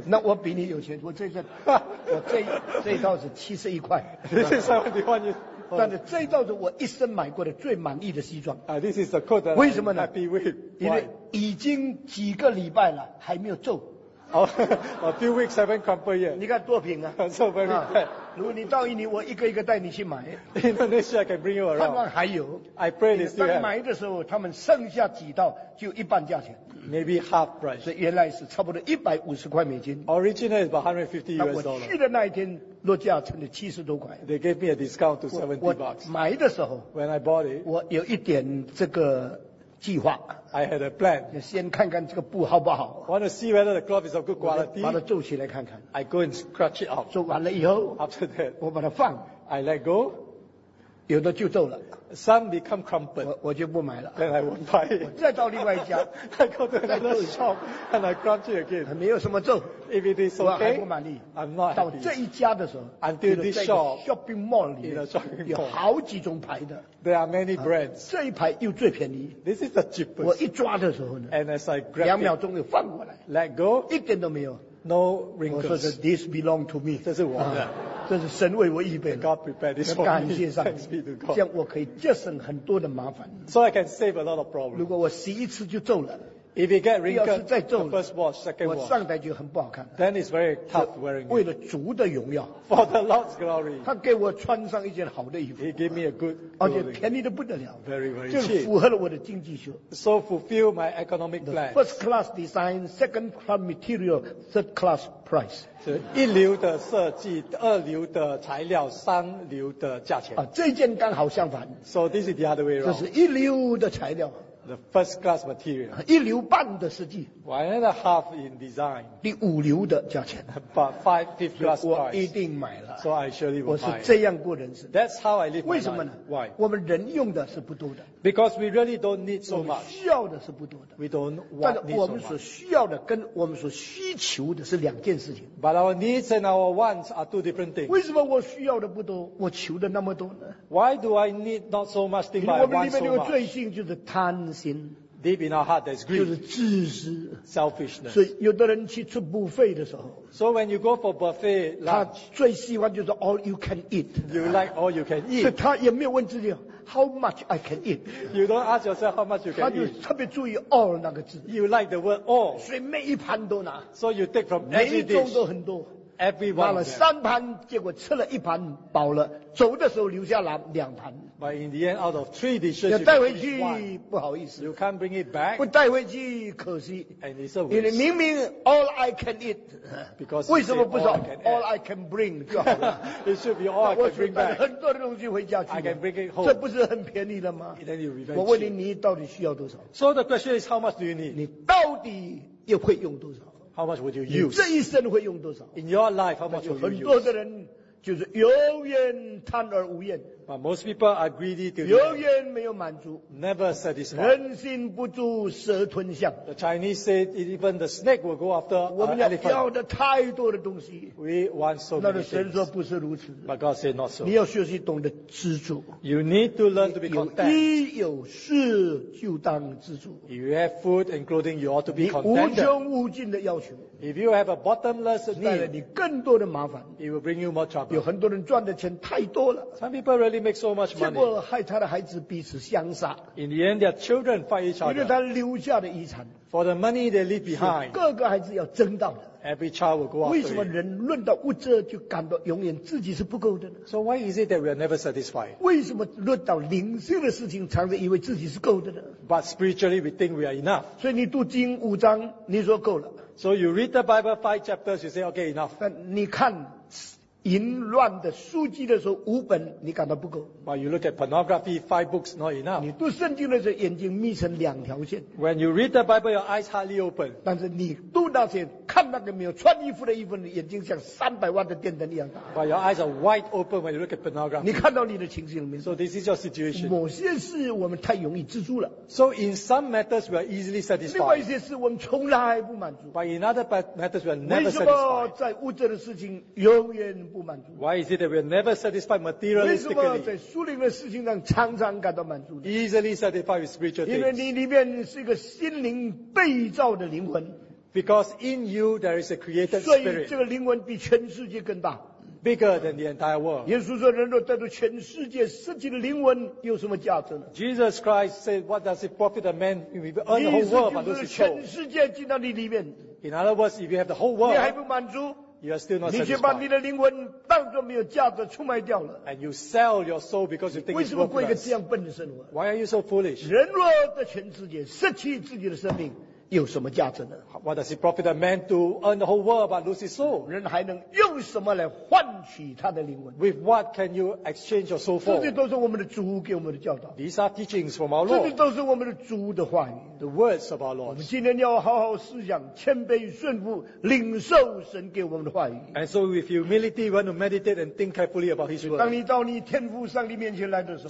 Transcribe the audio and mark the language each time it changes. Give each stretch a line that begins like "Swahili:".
Chinese: 那我比你有钱，我这件，我这一套是71块。这是71块，但是这一套是我一生买过的最满意的西装。
English: This is the coat that
Chinese: 为什么呢
English: ？Happy with，
Chinese: 因为已经几个礼拜了，还没有皱。
English: Oh, a few weeks haven't crumpled yet.
Chinese: 你看多平啊
English: ！So very bad.
Chinese: 如果你到印尼，我一个一个带你去买。
English: Indonesia, I can bring you around.
Chinese: 盼望还有。
English: I pray this year.
Chinese: 当买的时候，他们剩下几套就一半价钱。
English: Maybe half price.
Chinese: 所以原来是差不多150块美金。
English: Originally is about $150.
Chinese: 那我去的那一天，落价成了70多块。
English: They gave me a discount to $70.
Chinese: 我买的时候
English: ，When I bought it,
Chinese: 我有一点这个。计划
English: I had a plan.
Chinese: 先看看这个布好不好。
English: Want to see whether the cloth is of good quality.
Chinese: 把它皱起来看看。
English: I go and scratch it out.
Chinese: 皱完了以后
English: After that,
Chinese: 我把它放。
English: I let go.
Chinese: 有的就皱了。
English: Some become crumpled.
Chinese: 我就不买了。
English: Then I won't buy it.
Chinese: 我再到另外一家。
English: I go to another shop and I crunch it again.
Chinese: 没有什么皱。
English: If it is okay,
Chinese: 我还不满意。
English: I'm not.
Chinese: 到这一家的时候
English: ，Until this shop,
Chinese: shopping mall 里面有好几种牌的。
English: There are many brands.
Chinese: 这一排又最便宜。
English: This is the cheapest.
Chinese: 我一抓的时候呢
English: ，And as I grab it,
Chinese: 两秒钟又放过来。
English: Let go,
Chinese: 一点都没有。
English: No wrinkles.
Chinese: 我说
English: This belong to me.
Chinese: 这是我的。这是神为我预备
English: 的。God prepared this for me.
Chinese: 感谢上帝。这样我可以节省很多的麻烦。
English: So I can save a lot of problems.
Chinese: 如果我洗一次就皱了。
English: If you get wrinkles,
Chinese: 第二次再皱了。
English: The first wash, second wash.
Chinese: 我上台就很不好看。
English: Then it's very tough wearing.
Chinese: 为了主的荣耀。
English: For the Lord's glory.
Chinese: 他给我穿上一件好的衣服。
English: He gave me a good clothing.
Chinese: 而且便宜得不得了。
English: Very, very cheap.
Chinese: 就是符合了我的经济学。
English: So fulfill my economic plan. First class design, second class material, third class price.
Chinese: 是一流的设计，二流的材料，三流的价钱。啊，这件刚好相反。
English: So this is the other way around.
Chinese: 这是一流的材料。
English: The first class material.
Chinese: 一流半的设计。
English: One and a half in design.
Chinese: 第五流的价钱。
English: But five, fifth class price.
Chinese: 我一定买了。
English: So I surely will buy.
Chinese: 我是这样过人生。
English: That's how I live.
Chinese: 为什么呢
English: ？Why?
Chinese: 我们人用的是不多的。
English: Because we really don't need so much.
Chinese: 需要的是不多的。
English: We don't want so much.
Chinese: 但我们所需要的跟我们所需求的是两件事情。
English: But our needs and our wants are two different things.
Chinese: 为什么我需要的不多，我求的那么多呢
English: ？Why do I need not so much things?
Chinese: 因为我们里面有罪性，就是贪心。
English: Deep in our heart, there's greed.
Chinese: 就是自私
English: ，selfishness.
Chinese: 所以有的人去吃 buffet 的时候
English: ，so when you go for buffet lunch,
Chinese: 他最喜欢就是
English: all you can eat. You like all you can eat.
Chinese: 所以他也没有问自己
English: how much I can eat. You don't ask yourself how much you can eat.
Chinese: 他就特别注意 all 那个字。
English: You like the word all.
Chinese: 所以每一盘都拿。
English: So you take from every dish.
Chinese: 每一种都很多。拿了三盘，结果吃了一盘饱了，走的时候留下两盘。
English: But in the end, out of three dishes,
Chinese: 带回去不好意思。
English: You can't bring it back.
Chinese: 不带回去可惜。
English: And it's a waste.
Chinese: 因为明明
English: all I can eat. Because
Chinese: 为什么不说
English: all I can bring
Chinese: 就好了
English: ？It should be all I can bring back.
Chinese: 我带很多东西回家去。
English: I can bring it home.
Chinese: 这不是很便宜了吗
English: ？Then you'll be very cheap.
Chinese: 我问你，你到底需要多少
English: ？So the question is, how much do you need?
Chinese: 你到底又会用多少？
English: How much would you use?
Chinese: 这一生会用多少
English: ？In your life, how much would you use?
Chinese: 很多的人就是永远贪而无厌。
English: But most people are greedy to the end.
Chinese: 永远没有满足。
English: Never satisfied.
Chinese: 人心不足蛇吞象。
English: The Chinese say even the snake will go after an elephant.
Chinese: 我们要的太多的东西。
English: We want so many things.
Chinese: 那神说不是如此。
English: But God said not so.
Chinese: 你要学习懂得知足。
English: You need to learn to be content.
Chinese: 有衣有食就当知足。
English: If you have food and clothing, you ought to be content.
Chinese: 无穷无尽的要求。
English: If you have a bottomless need,
Chinese: 带来你更多的麻烦。
English: It will bring you more trouble.
Chinese: 有很多人赚的钱太多了。
English: Some people really make so much money.
Chinese: 结果害他的孩子彼此相杀。
English: In the end, their children fight each other.
Chinese: 因为他留下的遗产。
English: For the money they leave behind.
Chinese: 各个孩子要争到的。
English: Every child will go after it.
Chinese: 为什么人论到物质就感到永远自己是不够的呢
English: ？So why is it that we are never satisfied?
Chinese: 为什么论到灵性的事情，常常以为自己是够的呢
English: ？But spiritually, we think we are enough.
Chinese: 所以你读经五章，你说够了。
English: So you read the Bible five chapters, you say, okay, enough.
Chinese: 但你看淫乱的书籍的时候，五本你感到不够。
English: But you look at pornography, five books, not enough.
Chinese: 你读圣经的时候，眼睛眯成两条线。
English: When you read the Bible, your eyes hardly open.
Chinese: 但是你读那些看那个没有穿衣服的衣服，眼睛像300万的电灯一样大。
English: But your eyes are wide open when you look at pornography.
Chinese: 你看到你的情形了没
English: ？So this is your situation.
Chinese: 某些事我们太容易知足了。
English: So in some matters we are easily satisfied.
Chinese: 另外一些事我们从来不满足。
English: But in other matters we are never satisfied.
Chinese: 为什么在物质的事情永远不满足
English: ？Why is it that we are never satisfied materialistically?
Chinese: 为什么在属灵的事情上常常感到满足
English: ？Easily satisfied with spiritual things.
Chinese: 因为你里面是一个心灵被造的灵魂。
English: Because in you there is a created spirit.
Chinese: 所以这个灵魂比全世界更大。
English: Bigger than the entire world.
Chinese: 耶稣说，人若得到全世界失去的灵魂，有什么价值呢
English: ？Jesus Christ said, "What does it profit a man if he earn the whole world but lose his soul?"
Chinese: 全世界进到你里面。
English: In other words, if you have the whole world,
Chinese: 你还不满足。
English: You are still not
Chinese: 你却把你的灵魂当作没有价值出卖掉了。
English: And you sell your soul because you think it's worthless.
Chinese: 为什么过一个这样笨的生活
English: ？Why are you so foolish?
Chinese: 人若得全世界，失去自己的生命。有什么价值呢？
English: What does it profit a man to earn the whole world but lose his soul?
Chinese: 人还能用什么来换取他的灵魂？
English: With what can you exchange your soul for?
Chinese: 这些都是我们的主给我们的教导。
English: These are teachings from our Lord.
Chinese: 这些都是我们的主的话语。
English: The words of our Lord.
Chinese: 我们今天要好好思想，谦卑顺服，领受神给我们的话语。
English: And so with humility, we want to meditate and think carefully about His word.
Chinese: 当你到你天父上帝面前来的时候